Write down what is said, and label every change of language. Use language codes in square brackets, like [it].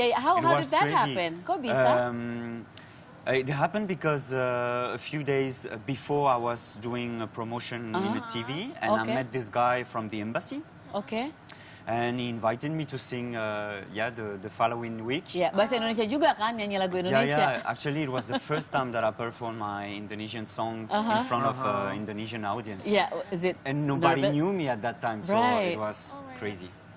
[en] How did that happen? [id] Kok bisa? [en] It happened because a few days before I was doing a promotion in the TV, and I met this guy from the embassy. Okay. And he invited me to sing the following week. [id] Yeah, bahasa Indonesia juga kan, nyanyi lagu Indonesia. [en] Actually, it was the first time that I performed my Indonesian songs in front of an Indonesian audience. Yeah, is it? And nobody knew me at that time, so it was crazy.